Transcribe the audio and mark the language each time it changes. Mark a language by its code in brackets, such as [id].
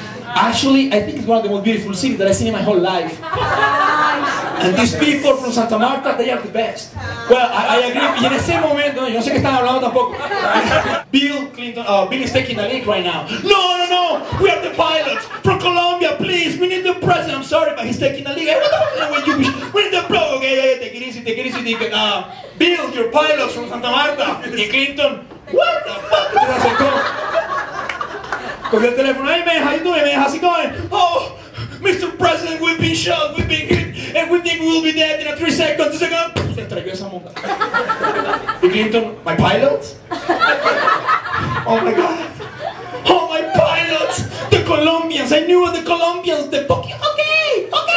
[en] Actually, I think it's one of the most beautiful cities that I've seen in my whole life. And these people from Santa Marta, they are the best. Well, I agree. [es] Y en ese momento, yo no sé qué están hablando tampoco. [en] Bill Clinton, Bill is taking a leak right now. No, we are the pilots from Colombia, please. We need the president. I'm sorry, but he's taking a leak. What the fuck is that? We need the pro. Okay, take it easy. Bill, your pilots from Santa Marta. Y Clinton, what the fuck? [es] cogió el teléfono, ay, me deja, y tú me dejas así como, oh, Mr. [en] President, we've been shot, we've been hit, and we think we'll be dead in a 3 seconds, se estrelló esa monga. Y Clinton, my pilot? Oh my God. Oh my pilot, the Colombians, I knew the Colombians, the fucking, okay.